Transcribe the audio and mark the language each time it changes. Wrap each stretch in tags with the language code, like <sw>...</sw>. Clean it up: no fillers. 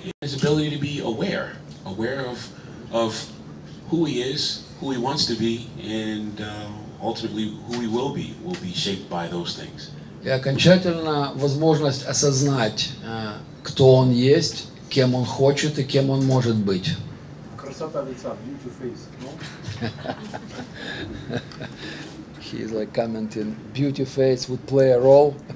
<en>His ability to be aware of who he is, who he wants to be, and ultimately who he will be shaped by those things.</en> <ru>И окончательно возможность осознать, кто он есть, кем он хочет и кем он может быть. Красота лица,</ru> <en>beauty face, no? He is like commenting, beauty face would play a role.</en>